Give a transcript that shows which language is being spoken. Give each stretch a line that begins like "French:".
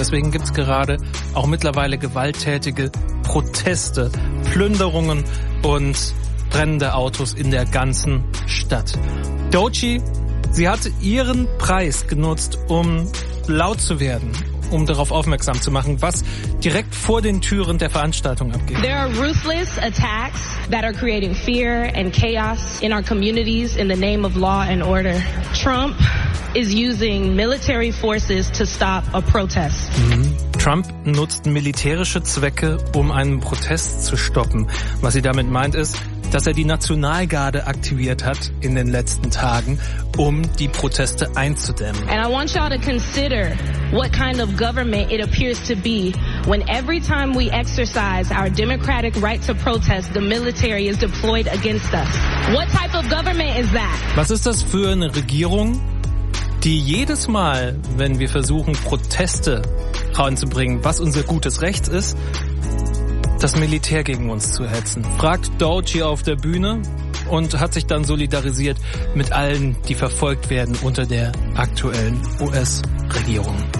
German: Deswegen gibt's gerade auch mittlerweile gewalttätige Proteste, Plünderungen und brennende Autos in der ganzen Stadt. Doechii, sie hat ihren Preis genutzt, um laut zu werden, um darauf aufmerksam zu machen, was direkt vor den Türen der Veranstaltung abgeht.
English: There are ruthless attacks that are creating fear and chaos in our communities in the name of law and order. Trump is using military forces to stop a protest.
German: Trump nutzt militärische Zwecke, um einen Protest zu stoppen. Was sie damit meint, ist, dass er die Nationalgarde aktiviert hat in den letzten Tagen, um die Proteste einzudämmen.
English: And I want y'all to consider what kind of government it appears to be when every time we exercise our democratic right to protest, the military is deployed against us. What type of government is that?
German: Was ist das für eine Regierung, die jedes Mal, wenn wir versuchen, Proteste reinzubringen, was unser gutes Recht ist, das Militär gegen uns zu hetzen? Fragt Doechii auf der Bühne und hat sich dann solidarisiert mit allen, die verfolgt werden unter der aktuellen US-Regierung.